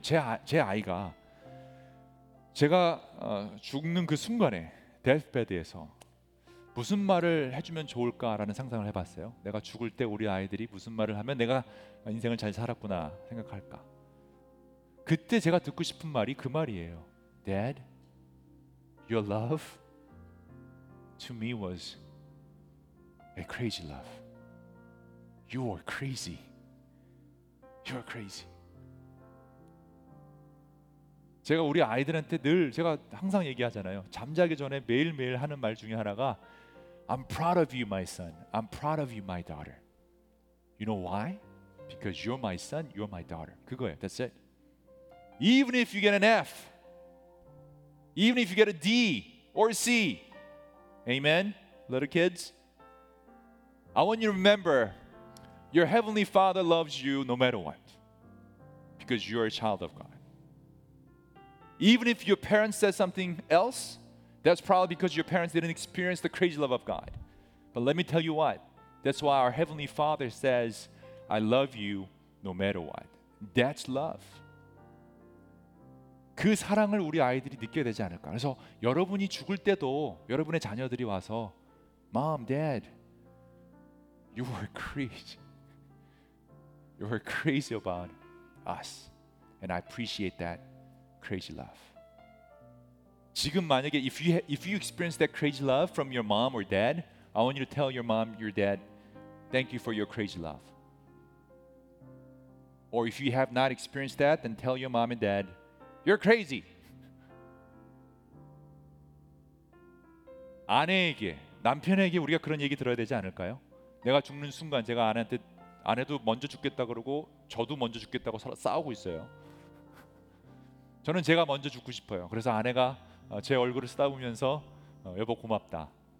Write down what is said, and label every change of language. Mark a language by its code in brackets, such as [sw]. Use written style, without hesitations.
[ko] 제 아이가 제가 죽는 그 순간에 Deathbed에서 무슨 말을 해주면 좋을까라는 상상을 해봤어요. 내가 죽을 때 우리 아이들이 무슨 말을 하면 내가 인생을 잘 살았구나 생각할까. 그때 제가 듣고 싶은 말이 그 말이에요. [en] Dad, your love to me was a crazy love. You are crazy. You are crazy. [ko] 제가 우리 아이들한테 늘 제가 항상 얘기하잖아요. 잠자기 전에 매일매일 하는 말 중에 하나가 [en] I'm proud of you, my son. I'm proud of you, my daughter. You know why? Because you're my son, you're my daughter. [ko] 그거예요. [en] That's it. Even if you get an F, even if you get a D or a C, amen, little kids, I want you to remember your heavenly father loves you no matter what because you're a child of God. Even if your parents said something else, That's probably because your parents didn't experience the crazy love of God. But let me tell you what. That's why our Heavenly Father says, I love you no matter what. That's love. [ko] 그 사랑을 우리 아이들이 느껴야 되지 않을까. 그래서 여러분이 죽을 때도 여러분의 자녀들이 와서 [en] Mom, Dad, You are crazy. You are crazy about us. And I appreciate that crazy love. [ko] 지금 만약에 [en] if you experience that crazy love from your mom or dad, I want you to tell your mom, your dad, thank you for your crazy love. Or if you have not experienced that, then tell your mom and dad, you're crazy. [ko] 아내에게, 남편에게 우리가 그런 얘기 들어야 되지 않을까요? 내가 죽는 순간 제가 아내한테 아내도 먼저 죽겠다 그러고 저도 먼저 죽겠다고 싸우고 있어요. 저는 제가 먼저 죽고 싶어요. 그래서 아내가 제 얼굴을 쓰다보면서 여보 고맙다.